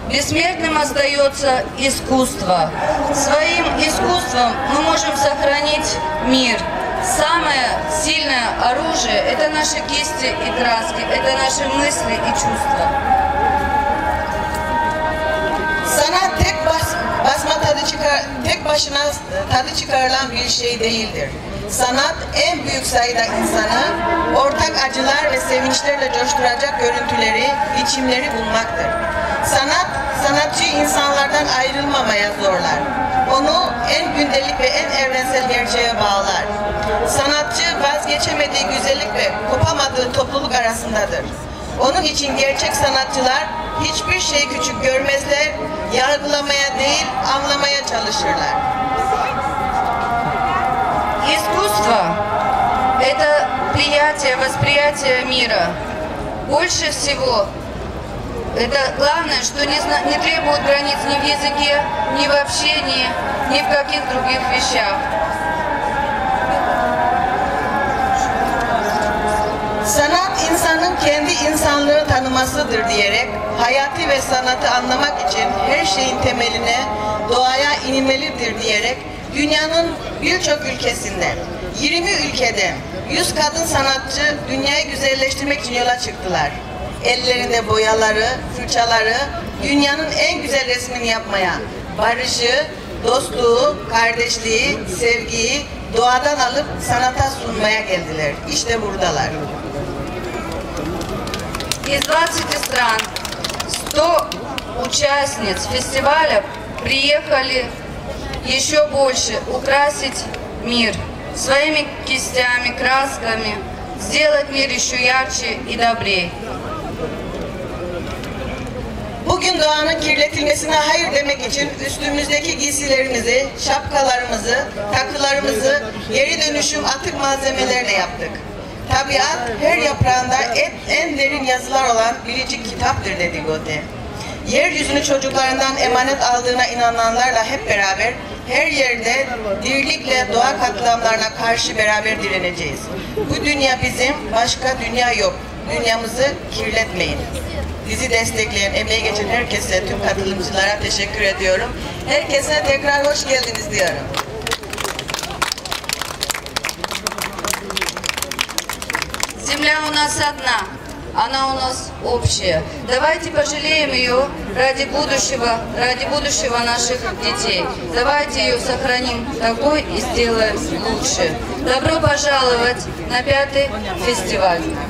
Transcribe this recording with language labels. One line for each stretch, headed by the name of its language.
Russian: Бессмертным остается искусство. Своим искусством мы можем сохранить мир. Самое сильное оружие – это наши кисти и краски, это наши мысли и чувства.
Turkish: Sanat tek basma tadı çıkar, tek başına tadı çıkarılan bir şey değildir. Sanat en büyük sayıda insanı ortak acılar ve sevinçlerle coşturacak görüntüleri, biçimleri bulmaktır. Sanat, sanatçı insanlardan ayrılmamaya zorlar. Onu en gündelik ve en evrensel gerçeğe bağlar. Sanatçı vazgeçemediği güzellik ve kopamadığı topluluk arasındadır. Onun için gerçek sanatçılar hiçbir şeyi küçük görmezler, yargılamaya değil, anlamaya çalışırlar.
Russian: İskustva, это восприятия, восприятия мира. Больше всего это главное, что не требует границ ни в языке, ни в общении, ни в каких других вещах.
Turkish: Sanat insanın kendi insanlığı tanımasıdır diyerek hayatı ve sanatı anlamak için her şeyin temeline doğaya inilmelidir diyerek dünyanın birçok ülkesinde 20 ülkede 100 kadın sanatçı dünyayı güzelleştirmek için yola çıktılar. Ellerinde boyaları, fırçaları dünyanın en güzel resmini yapmaya, barışı, dostluğu, kardeşliği, sevgiyi doğadan alıp sanata sunmaya geldiler. İşte buradalar.
Russian: Из 20 стран 100 участниц фестиваля приехали еще больше украсить мир своими кистями, красками, сделать мир еще ярче и добрее.
Turkish: Bugün doğanın kirletilmesine hayır demek için üstümüzdeki giysilerimizi, şapkalarımızı, takılarımızı geri dönüşüm atık malzemelerle yaptık. Tabiat her yaprağında en derin yazılar olan biricik kitaptır dedi Goethe. Yeryüzünü çocuklarından emanet aldığına inananlarla hep beraber her yerde dirlikle doğa katliamlarına karşı beraber direneceğiz. Bu dünya bizim, başka dünya yok. Dünyamızı kirletmeyin. Bizi destekleyen, emeği geçen herkese, tüm katılımcılara teşekkür ediyorum. Herkese tekrar hoş geldiniz diyorum.
Russian: Земля у нас одна, она у нас общая. Давайте пожалеем ее ради будущего наших детей. Давайте ее сохраним такой и сделаем лучше. Добро пожаловать на 5-й фестиваль.